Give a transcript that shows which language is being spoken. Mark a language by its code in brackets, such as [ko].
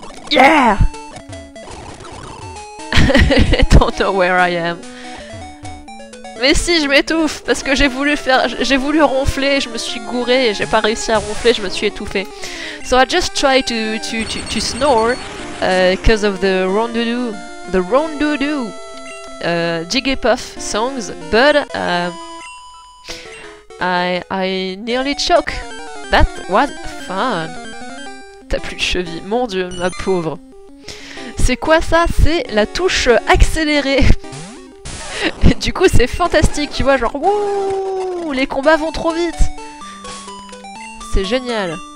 [en] Yeah! I don't know where I am. [fr] Mais si, je m'étouffe, parce que j'ai voulu ronfler, je me suis gouré, et j'ai pas réussi à ronfler, je me suis étouffé. [en] So I just try to snore. Because of the rondoudou, Jigglypuff songs, but I nearly choke. That was fun. [fr] T'as plus de cheville, mon dieu, ma pauvre. C'est quoi ça? C'est la touche accélérée. Du coup, c'est fantastique, tu vois, genre, wouh, les combats vont trop vite. C'est génial.